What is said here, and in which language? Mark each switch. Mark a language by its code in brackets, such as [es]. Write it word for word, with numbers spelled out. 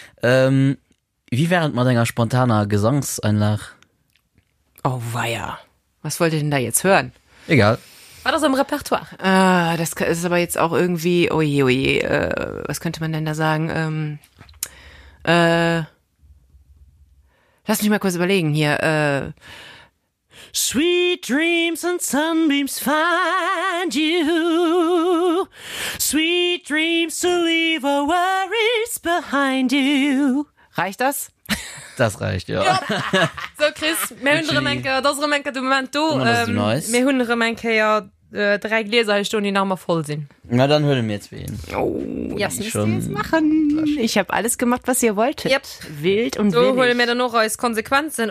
[de] Ähm, wie während man deiner spontaner Gesangseinlage? Oh weia. Was wollt ihr denn da jetzt hören? Egal. War das im Repertoire? Ah, das ist aber jetzt auch irgendwie, oje, oje, äh, was könnte man denn da sagen? Ähm, äh, lass mich mal kurz überlegen hier. [en] Äh, Sweet dreams and sunbeams find you. Sweet dreams to leave our worries behind you. [de] Reicht das? Das reicht, ja. Ja. So, Chris, wir haben Remenke, das Remenke, du meinst du, ähm, [en] nice. [de] Wir haben Remenke ja äh, drei Gläser, die noch mal voll sind. Na, dann hören wir jetzt wen. Oh, das müsst ihr jetzt machen. Ich habe alles gemacht, was ihr wolltet. [en] Yep. [de] Wild und so, willig. So, holen wir dann noch als Konsequenzen.